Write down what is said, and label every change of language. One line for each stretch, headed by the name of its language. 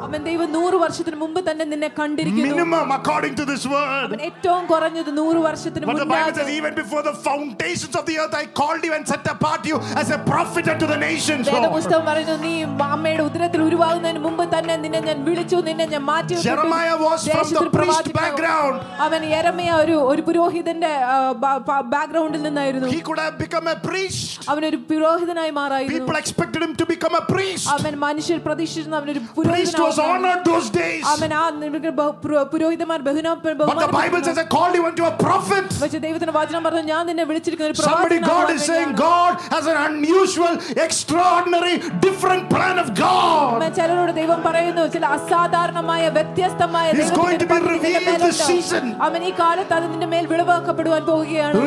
Malayalam: അവൻ ദൈവം 100 വർഷത്തിന് മുമ്പ് തന്നെ നിന്നെ കണ്ടിരിക്കുന്നു.
English: Minimum according to this word.
Malayalam: അവൻ ഏറ്റവും കുറഞ്ഞത് 100 വർഷത്തിന് മുമ്പ്.
English: Even before the foundations of the earth I called you and set apart you as a prophet unto the nations.
Malayalam: ദൈവമുസ്തവം പറഞ്ഞു, നീ അമ്മയുടെ ഉദരത്തിൽ ഉരുവാകുന്നതിന് മുമ്പ് തന്നെ നിന്നെ ഞാൻ വിളിച്ചു, നിന്നെ ഞാൻ മാറ്റി.
English: Jeremiah was from the priest background.
Malayalam: അവൻ യെരമ്യ ഒരു പുരോഹിതന്റെ ബാക്ക്ഗ്രൗണ്ടിൽ നിന്നായിരുന്നു.
English: He could have become a priest.
Malayalam: അവൻ ഒരു പുരോഹിതനായി മാറായിരുന്നു.
English: People expected him to become a priest.
Malayalam: അവൻ മനുഷ്യർ പ്രതീക്ഷിച്ചിരുന്ന അവനൊരു പുരോഹിതൻ.
English: Priest was honored those days.
Malayalam: അവൻ ആ പുരോഹിതന്മാർ ബഹുമാനം.
English: But the Bible says I called you unto a prophet.
Malayalam: പക്ഷേ ദൈവത്തിന്റെ വചനം പറഞ്ഞു ഞാൻ നിന്നെ വിളിച്ചിരിക്കുന്ന ഒരു പ്രവാചകനാണ്.
English: Somebody God is saying God has an unusual, extraordinary, different plan of God.
Malayalam: മനുഷ്യരോട് ദൈവം പറയുന്നു ചില അസാധാരണമായ, വ്യത്യസ്തമായ.
English: He's going to be revealed this season.
Malayalam: അവൻ ഈ കാലത്ത് അത് നിന്റെ മേൽ വിളവാക്കപ്പെടുവാൻ പോവുകയാണ്.